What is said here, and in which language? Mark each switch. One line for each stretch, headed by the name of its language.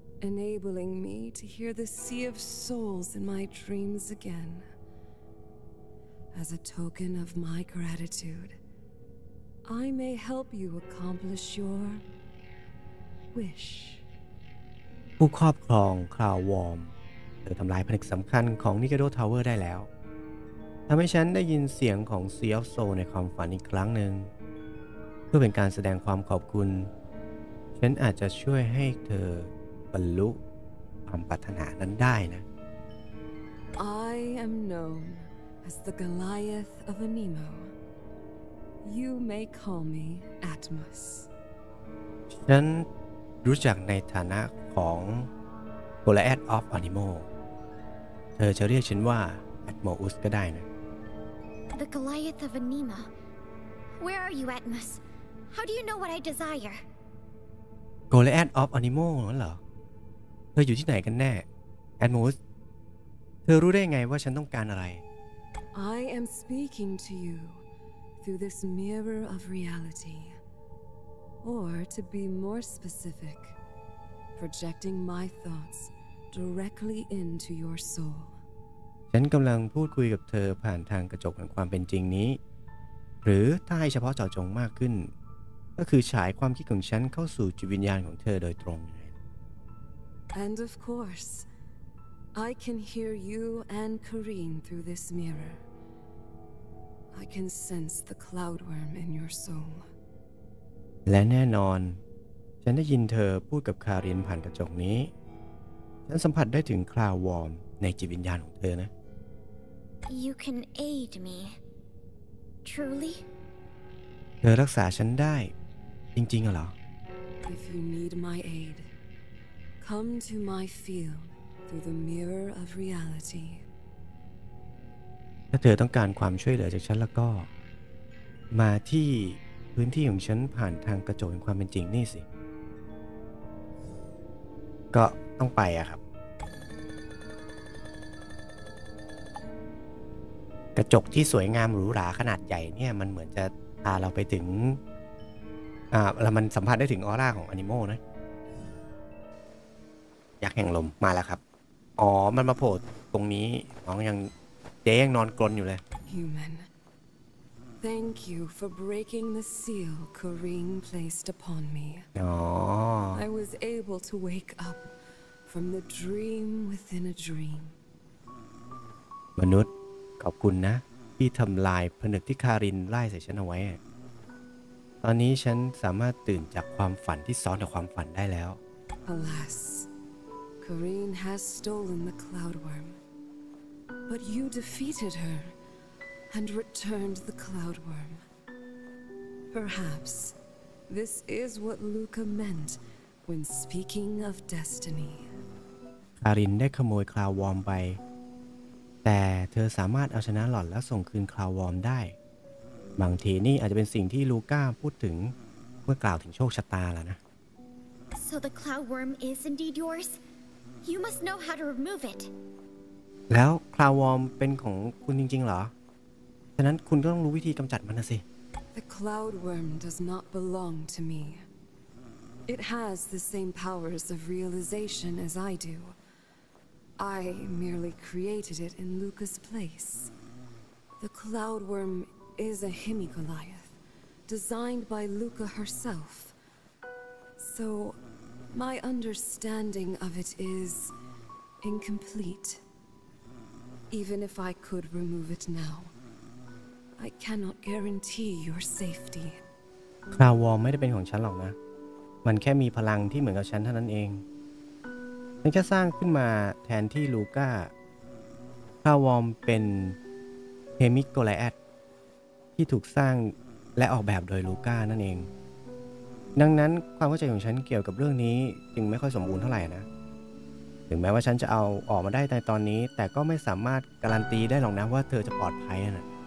English: enabling me to hear the sea of souls in my dreams againAs a token of my gratitude, I may help you accomplish your wish.
Thai: ผู้ครอบครองคราววอร์มเธอทำลายผนึกสำคัญของนิกาโดทาวเวอร์ได้แล้วทำให้ฉันได้ยินเสียงของซีออฟโซในความฝันอีกครั้งหนึ่งเพื่อเป็นการแสดงความขอบคุณฉันอาจจะช่วยให้เธอบรรลุความปรารถนานั้นได้นะ
English: I am knownAs the Goliath of Anemo, you may call me Atmos.
Thai: ฉันรู้จักในฐานะของ Goliath of Anemo. เธอจะเรียกฉันว่า Atmos ก็ได้นะ
English: The Goliath of Anemo. Where are you, Atmos? How do you know what I desire?
Thai: Goliath of Anemo นั่นเหรอเธออยู่ที่ไหนกันแน่ Atmos. เธอรู้ได้ยังไงว่าฉันต้องการอะไร
English: I am speaking to you through this mirror of reality, or to be more specific, projecting my thoughts directly into your soul.
Thai: ฉันกำลังพูดคุยกับเธอผ่านทางกระจกแห่งความเป็นจริงนี้หรือถ้าให้เฉพาะเจาะจงมากขึ้นก็คือฉายความคิดของฉันเข้าสู่จิตวิญญาณของเธอโดยตรง
English: And of course. I can hear you and Kareen through this mirror. I can sense the cloudworm in your soul.
Thai: และแน่นอนฉันได้ยินเธอพูดกับคารินผ่านกระจกนี้ฉันสัมผัสได้ถึงคลาววอร์มในจิตวิญญาณของเธอนะ
English: You can aid me. Truly?
Thai: เธอรักษาฉันได้จริงๆเหร
English: อ If you need my aid, come to my fieldThe mirror of reality.
Thai: ถ้าเธอต้องการความช่วยเหลือจากฉันแล้วก็มาที่พื้นที่ของฉันผ่านทางกระจกแห่งความเป็นจริงนี่สิก็ต้องไปอะครับ กระจกที่สวยงามหรูหราขนาดใหญ่เนี่ยมันเหมือนจะพาเราไปถึงแล้วมันสัมผัสได้ถึงออร่าของแอนิโมนะยักษ์แห่งลมมาแล้วครับอ๋อมันมาโผล่ตรงนี้น้องยังเจ๊ยังนอนกรนอยู่เลย
English: Human. Thank you for breaking the seal Kareen placed upon me.
Thai: อ๋อ
English: I was able to wake up from the dream within a dream.
Thai: มนุษย์ขอบคุณนะที่ทำลายผนึกที่คารินไล่ใส่ฉันเอาไว้ตอนนี้ฉันสามารถตื่นจากความฝันที่ซ้อนกับความฝันได้แล้ว
English: Alas. Kareen has stolen the cloudworm, but you defeated her and returned the cloudworm. Perhaps this is what Luca meant when speaking of destiny.
Thai: อารินได้ขโมยคลาววอร์มไปแต่เธอสามารถเอาชนะหล่อนและส่งคืนคลาววอร์มได้บางทีนี่อาจจะเป็นสิ่งที่ลูก้าพูดถึงเมื่อกล่าวถึงโชคชะตาแล้วนะ
English: So the cloud worm is indeed yours. You must know how to remove it.
Thai: แล้วคลาววอร์มเป็นของคุณจริงๆเหรอฉะนั้นคุณก็ต้องรู้วิธีกำจัดมันนะสิ
English: The cloud worm does not belong to me. It has the same powers of realization as I do. I merely created it in Luca's place. The Cloudworm is a Himigoliath, designed by Luca herself. So, my understanding of it is incomplete. Even if I could remove it now, I cannot guarantee your safety.
Thai: Cloudworm ไม่ได้เป็นของฉันหรอกนะ มันแค่มีพลังที่เหมือนกับฉันเท่านั้นเองมันแค่สร้างขึ้นมาแทนที่ลูก้าคลาววอร์มเป็นเฮมิโกไลแอธที่ถูกสร้างและออกแบบโดยลูก้านั่นเองดังนั้นความเข้าใจของฉันเกี่ยวกับเรื่องนี้จึงไม่ค่อยสมบูรณ์เท่าไหร่นะถึงแม้ว่าฉันจะเอาออกมาได้ในตอนนี้แต่ก็ไม่สามารถการันตีได้หรอกนะว่าเธอจะปลอดภัยนะ